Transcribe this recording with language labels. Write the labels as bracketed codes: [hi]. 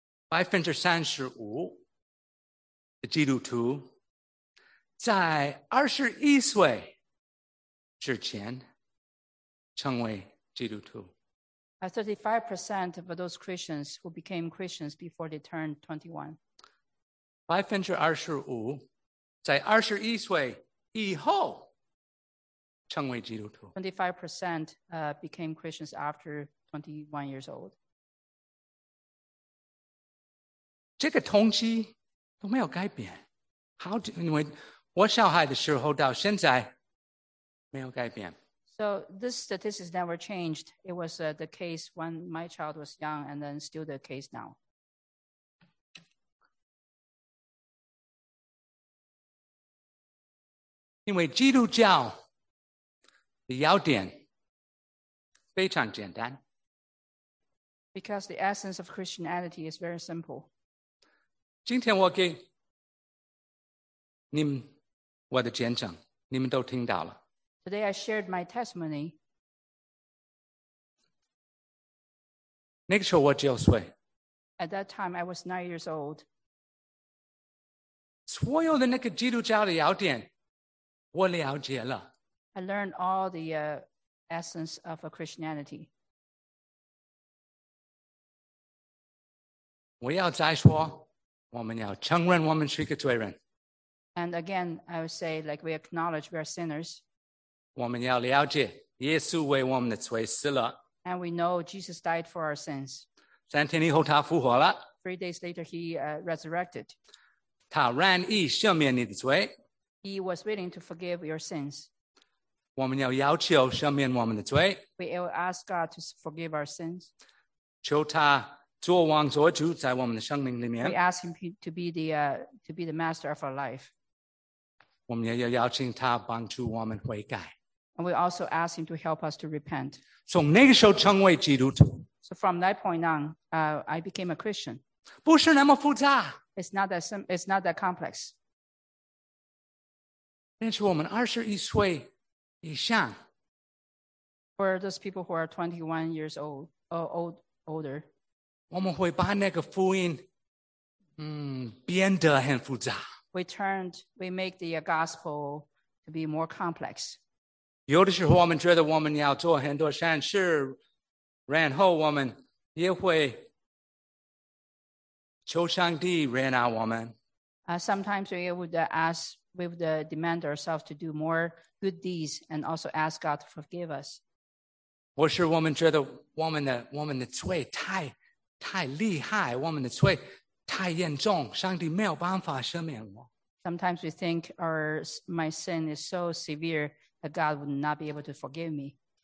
[zh] 35%的基督徒在21岁之前成为基督徒。 [en] 35% of those Christians who became Christians before they turned 21. [zh] 25%在21岁以后成为基督徒。 [en] 25% became Christians after 21 years old. [zh] 这个统计都没有改变。 [en] How do, [zh] 因为我小孩的时候到现在没有改变。 [en] So this statistic never changed. It was the case when my child was young and then still the case now. [zh] 因为基督教的要点非常简单。 [en] Because the essence of Christianity is very simple. [zh] 今天我给你们我的见证，你们都听到了。 [en] Today I shared my testimony. [zh] 那个时候我九岁。 [en] At that time I was 9 years old. [zh] 所有的那个基督教的要点我了解了。 [en] I learned all the essence of a Christianity. [zh] 我要再说我们要承认我们是一个罪人。 [en] And again, I would say like we acknowledge we are sinners. [zh] 我们要了解耶稣为我们的罪死了。 [en] And we know Jesus died for our sins. [zh] 三天以后他复活了。 [en] Three days later he resurrected. [zh] 他愿意赦免你的罪。 [en] He was willing to forgive your sins. [zh] 我们要要求赦免我们的罪。 [en] We will ask God to forgive our sins. [zh] 求他做王做主在我们的生命里面。 [en] We ask him to be the master of our life. [zh] 我们也要邀请他帮助我们悔改。 [en] And we also ask him to help us to repent. [zh] 从那个时候成为基督徒。 [en] So from that point on, I became a Christian. [zh] 不是那么复杂。 [en] It's not that complex. [zh] 但是我们21岁以上。 [en] For those people who are 21 years old, older. [zh] 我们会把那个福音，变得很复杂。 [en] We make the gospel to be more complex. [zh] 有的时候我们觉得我们要做很多善事，然后我们也会求上帝怜爱我们。 [en] Sometimes we would ask, we would demand ourselves to do more good deeds and also ask God to forgive us. [zh] 或是我们觉得我们的罪太厉害，我们的罪太严重，上帝没有办法赦免我。 [en] Sometimes we think my sin is so severe that God would not be able to forgive me.